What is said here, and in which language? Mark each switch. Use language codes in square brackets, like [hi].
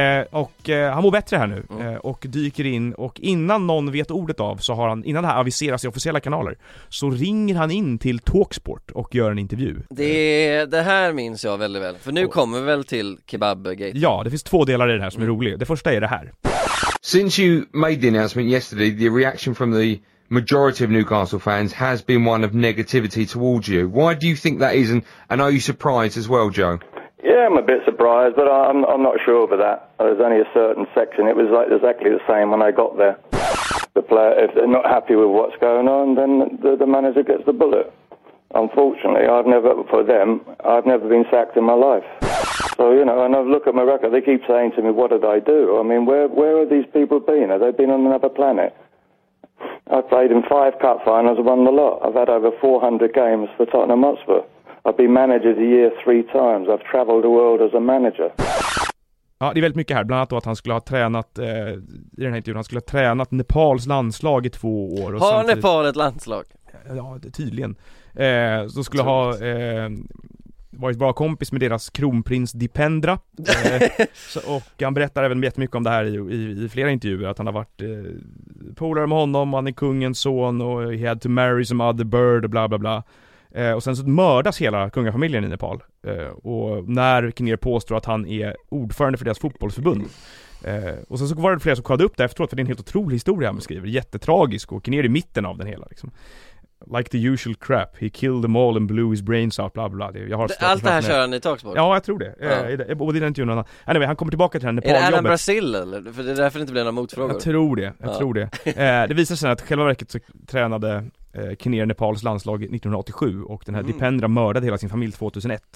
[sv] Och han mår bättre här nu. Och dyker in, och innan någon vet ordet av, så har han, innan det här aviseras i officiella kanaler, så ringer han in till Talksport och gör en intervju. Det här minns jag väldigt väl. För nu kommer vi väl till kebabgate. Ja, det finns 2 delar i det här som är roliga. Det första är det här. [en] Since you made the announcement yesterday, the reaction from the majority of Newcastle fans has been one of negativity towards you. Why do you think that is, and are you surprised as well, Joe? Yeah, I'm a bit surprised, but I'm not sure over that. There's only a certain section. It was like exactly the same when I got there. The player, if they're not happy with what's going on, then the manager gets the bullet. Unfortunately, I've never, for them, I've never been sacked in my life. So, you know, and I look at my record, they keep saying to me, what did I do? I mean, where have these people been? Have they been on another planet? I've played in 5 cup finals and won the lot. I've had over 400 games for Tottenham Hotspur. I've been manager the year 3 times. I've travelled the world as a manager. [sv] Ja, det är väldigt mycket här. Bland annat då att han skulle ha tränat, i den här intervjun, han skulle ha tränat Nepals landslag i 2 år. Och har samtidigt Nepal ett landslag? Ja, tydligen. Så skulle ha varit bra kompis med deras kronprins Dipendra. Och han berättar även jättemycket om det här i flera intervjuer. Att han har varit polare med honom, han är kungens son och [en] he had to marry some other bird [sv] och bla bla bla. Och sen så mördas hela kungafamiljen i Nepal. Och när Kinnear påstår att han är ordförande för deras fotbollsförbund. Och sen så var det flera som kollade upp det efteråt, för det är en helt otrolig historia han beskriver. Jättetragisk, och Kinnear i mitten av den hela liksom. [en] Like the usual crap, he killed them all and blew his brains out, bla bla. [sv] Jag har allt det här kör han i Talksport. Ja, jag tror det. Både i den intervjun. Anyway, han kommer tillbaka till den Nepal-jobbet. Är det här Brasil eller? För det är därför det inte blir några motfrågor. Jag tror det, jag tror det. Det visar sig att själva verket så tränade Kinnear Nepals landslag 1987, och den här Dipendra mördade hela sin familj 2001.